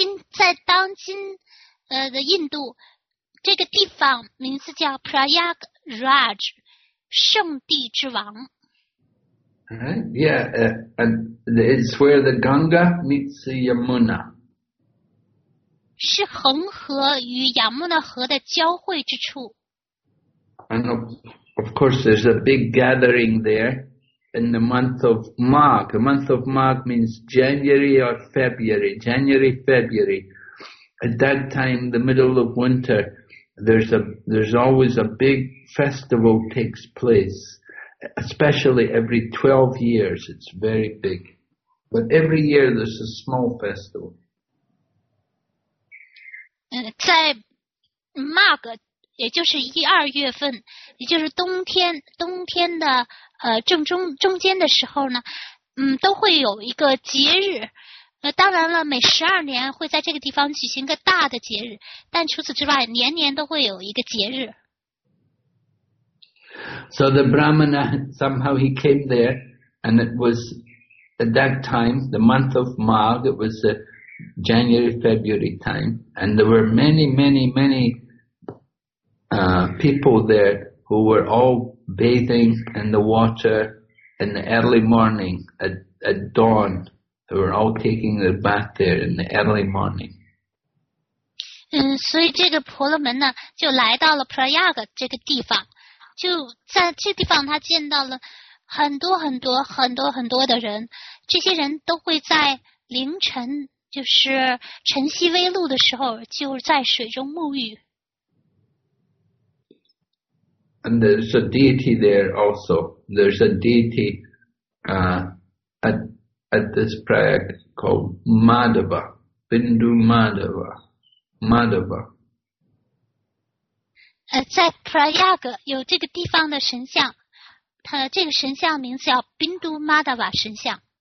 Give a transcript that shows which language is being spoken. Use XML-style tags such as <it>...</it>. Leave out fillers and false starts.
<zh>在当今的印度，这个地方名字叫 Prayagraj, 圣地之王。</zh> <en>Yeah, and it's where the Ganga meets the Yamuna.</en> <zh>是恒河与亚穆纳河的交汇之处。</zh> <en>And of course, there's a big gathering there in the month of Magh. The month of Magh means January or February. January, February. At that time, the middle of winter, there's always a big festival takes place. Especially every 12 years, it's very big. But every year, there's a small festival.</en> <zh>在 Magh 也就是一二月份，也就是冬天的正中间的时候呢，都会有一个节日。当然了，每十二年会在这个地方举行个大的节日，但除此之外，年年都会有一个节日。</zh> <en>So the Brahmana somehow he came there, and it was at that time the month of Magh. It was January, February time, and there were many, many, many people there who were all bathing in the water in the early morning, at dawn. They were all taking their bath there in the early morning.</en> <zh>所以这个婆罗门呢，就来到了 Prayag 这个地方，就在这地方他见到了很多很多很多很多的人，这些人都会在凌晨就是晨曦微露的时候就在水中沐浴。</zh> <en>And there's a deity there also. There's a deity at this prayag called Madhava. Bindu Madhava. Madhava.</en> <zh>在 prayag 有这个地方的神像，它这个神像名字叫 Bindu Madhava 神像。</zh>